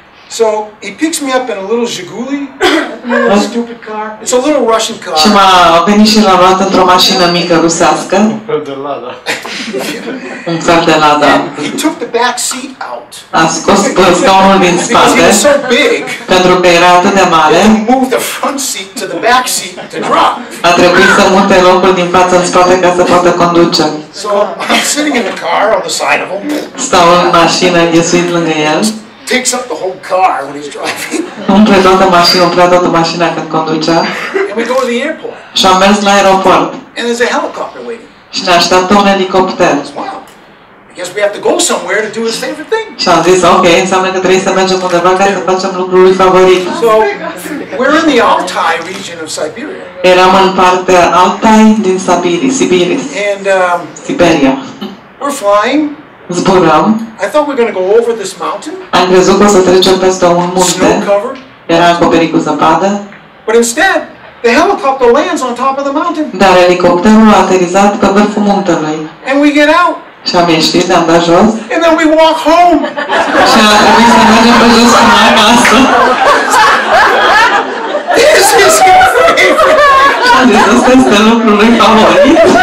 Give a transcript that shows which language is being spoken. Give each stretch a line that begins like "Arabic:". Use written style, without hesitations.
English: So he picks me up in a little Jiguli, a stupid car. It's a little Russian car.
Romanian: Și m-a venit și l-a luat într-o mașină mică rusească. Un fel de Lada. Un fel de Lada.
English: He took the back seat out.
Romanian: A scos scaunul din spate.
English: It's so big.
Romanian: Pentru că era atât de mare.
English: He moved the front seat to the back seat to drop.
Romanian: A trebuit să mute locul din față în spate ca să poată conduce.
English: So I'm sitting in the car on the side of him.
Romanian: Stau în mașină înghesuit lângă el.
English: Takes up the whole car when he's driving.
Romanian: Umple toată mașina, umple toată mașina când conducea.
English: And we go to the airport.
Romanian: Și am mers la aeroport.
English: And there's a helicopter waiting.
Romanian: Și ne așteaptă un elicopter.
English: Wow. I guess we have to go somewhere to do his favorite thing.
Romanian: Și am zis, ok, înseamnă că trebuie să mergem undeva ca să facem lucrul lui favorit.
English: So, we're in the Altai region of Siberia.
Romanian: Eram în partea Altai din Siberia. Sibiris.
English: And,
Romanian: Siberia.
English: We're flying.
Romanian: Zburăm.
English: I thought we were going to go over this mountain.
Romanian: Am crezut că o să trecem peste un munte.
English: Snow covered.
Romanian: Era acoperit cu zăpadă.
English: But instead, the helicopter lands on top of the mountain.
Romanian: Dar elicopterul a aterizat pe vârful muntelui.
English: And we get out.
Romanian: Și am ieșit, ne-am dat jos.
English: And then we walk home.
Romanian: Și a trebuit să mergem pe jos cu mai masă.
English: This is your favorite.
Romanian: Și am zis, asta este lucrul lui favorit.